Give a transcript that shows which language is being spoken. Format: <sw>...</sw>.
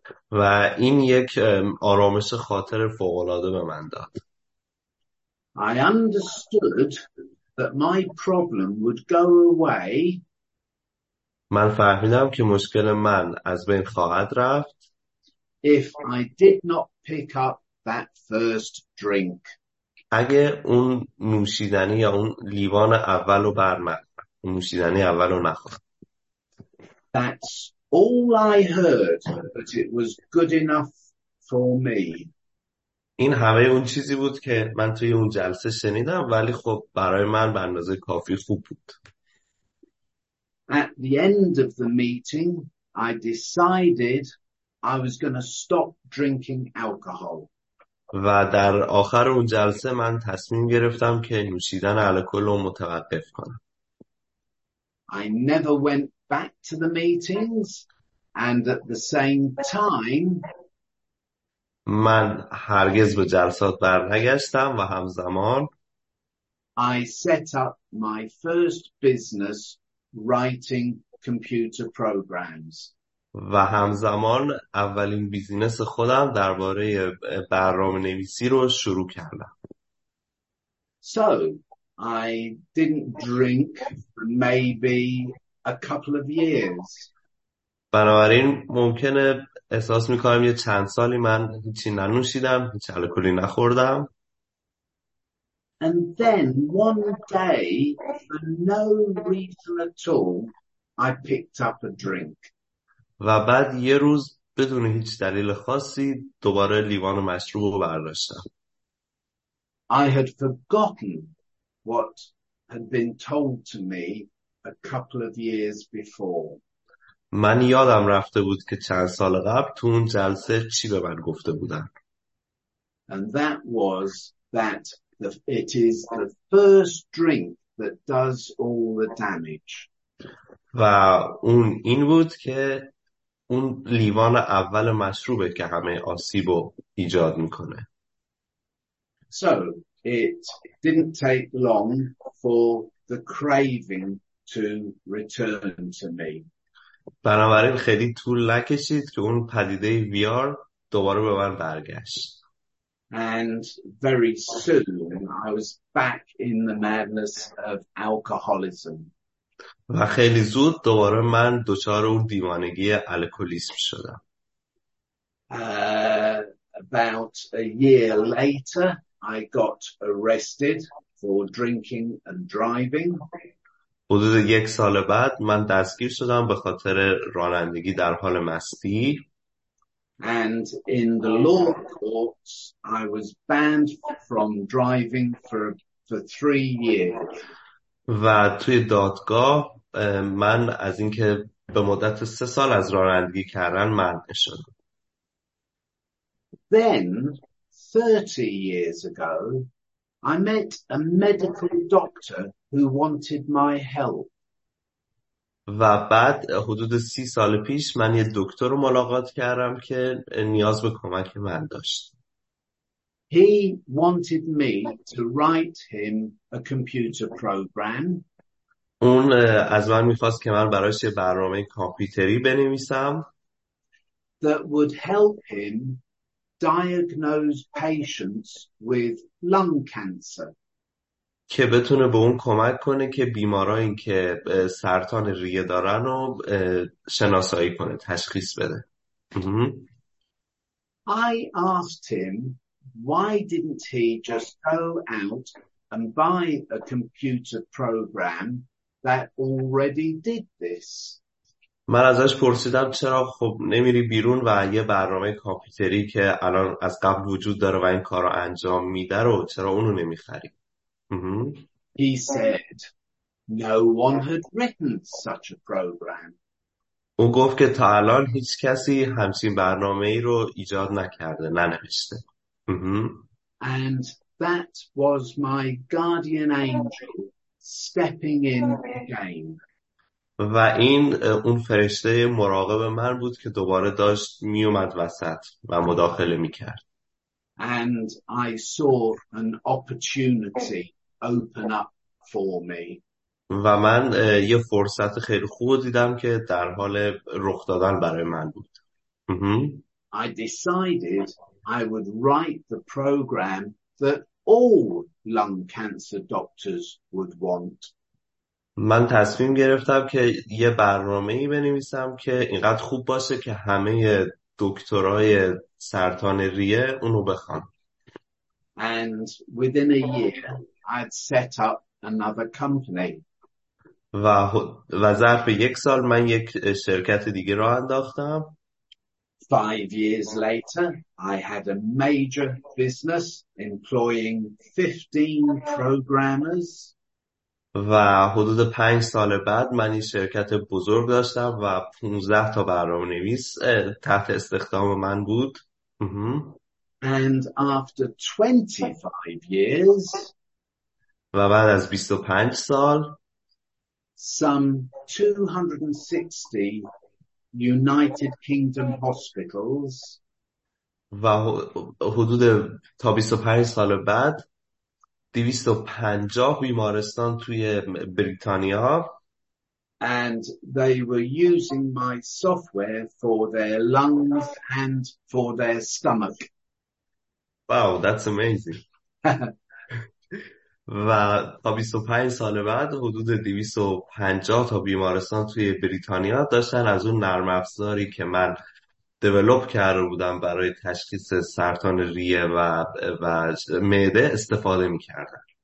<fa>و این یک آرامش خاطر فوق‌العاده به من داد.</fa> <en>I understood that my problem would go away.</en> <fa>من فهمیدم که مشکل من از بین خواهد رفت.</fa> <en>If I did not pick up that first drink.</en> <fa>اگه اون نوشیدنی یا اون لیوان اولو برمن، نوشیدنی اولو نخورم.</fa> <en>That's all I heard, but it was good enough for me.</en> <fa>این همه اون چیزی بود که من توی اون جلسه شنیدم، ولی خب برای من به اندازه کافی خوب بود.</fa> <en>At the end of the meeting, I decided I was going to stop drinking alcohol.</en> <fa>و در آخر اون جلسه من تصمیم گرفتم که نوشیدن الکل رو متوقف کنم.</fa> <en>I never went back to the meetings and at the same time</en> <fa>من هرگز به جلسات برنگشتم و همزمان</fa> <en>I set up my first business writing computer programs.</en> <fa>و همزمان اولین بیزینس خودم درباره برنامه نویسی رو شروع کردم.</fa> <en>So, I didn't drink for maybe a couple of years.</en> <fa>بنابراین ممکنه احساس میکنم یه چند سالی من هیچی ننوشیدم، هیچ الکلی نخوردم.</fa> <en>And then one day, for no reason at all, I picked up a drink.</en> <fa>و بعد یه روز بدون هیچ دلیل خاصی دوباره لیوان مشروب رو برداشتم.</fa> <en>I had forgotten what had been told to me a couple of years before.</en> <fa>من یادم رفته بود که چند سال قبل تو اون جلسه چی به من گفته بودن.</fa> <en>And that was that it is the first drink that does all the damage.</en> <fa>و اون این بود که اون لیوان اول مشروبه که همه آسیب رو ایجاد میکنه.</fa> <en>So it didn't take long for the craving to return to me.</en> <fa>بنابراین خیلی طول نکشید که اون پدیده VR دوباره به من برگشت.</fa> <en>And very soon I was back in the madness of alcoholism.</en> <fa>و خیلی زود دوباره من دچار اون دیوانگی الکلیسم شدم.</fa> <en>About a year later, I got arrested for drinking and driving.</en> <fa>حدود یک سال بعد من دستگیر شدم به خاطر رانندگی در حال مستی.</fa> <en>And in the law courts, I was banned from driving for 3 years.</en> <fa>و توی دادگاه من از اینکه به مدت 3 سال از رانندگی کردن منع شدم.</fa> <en>Then, 30 years ago, I met a medical doctor who wanted my help.</en> <fa>و بعد حدود 30 سال پیش من یه دکتر رو ملاقات کردم که نیاز به کمک من داشت.</fa> <en>He wanted me to write him a computer program.</en> <fa>اون از من میخواست که من برایش یه برنامه کامپیوتری بنویسم</fa> <en>that would help him diagnose patients with lung cancer.</en> <fa>که بتونه به اون کمک کنه که بیمارایی که سرطان ریه دارن رو شناسایی کنه، تشخیص بده.</fa> <en>I asked him why didn't he just go out and buy a computer program that already did this.</en> <fa>من ازش پرسیدم چرا خب نمیری بیرون و یه برنامه کامپیوتری که الان از قبل وجود داره و این کارو انجام میده رو چرا اونو نمیخری؟</fa> <en>He said no one had written such a program.</en> <fa>او گفت که تا الان هیچ کسی همچین برنامه‌ای رو ایجاد نکرده، ننوشته.</fa> <en>And that was my guardian angel stepping in again.</en> <fa>و این اون فرشته مراقب من بود که دوباره داشت می اومد وسط و مداخله می کرد.</fa> <en>And I saw an opportunity open up for me.</en> <fa>و من یه فرصت خیلی خوب دیدم که در حال رخ دادن برای من بود.</fa> <en>I decided I would write the program that all lung cancer doctors would want.</en> <fa>من تصمیم گرفتم که یه برنامه ای بنویسم که اینقدر خوب باشه که همه دکترای سرطان ریه اونو بخوان.</fa> <en>And within a year, I'd set up another company.</en> <fa>و ظرف یک سال من یک شرکت دیگه راه انداختم.</fa> <en>5 years later, I had a major business employing 15 programmers.</en> <fa>و حدود 5 سال بعد من این شرکت بزرگ داشتم و 15 تا برنامه نویس تحت استخدام من بود.</fa> <en>And after 25 years,</en> <fa>و بعد از 25 سال</fa> <en>some 260 United Kingdom hospitals</en> <fa>و حدود تا 25 سال بعد 250 بیمارستان توی بریتانیا</fa> <en>and they were using my software for their lungs and for their stomach. Wow, that's amazing.</en> <fa>و تا 25 سال بعد حدود 250 تا بیمارستان توی بریتانیا داشتن از اون نرم افزاری که من دیولوپ کرده بودم برای تشخیص سرطان ریه و معده استفاده می کردن.</fa>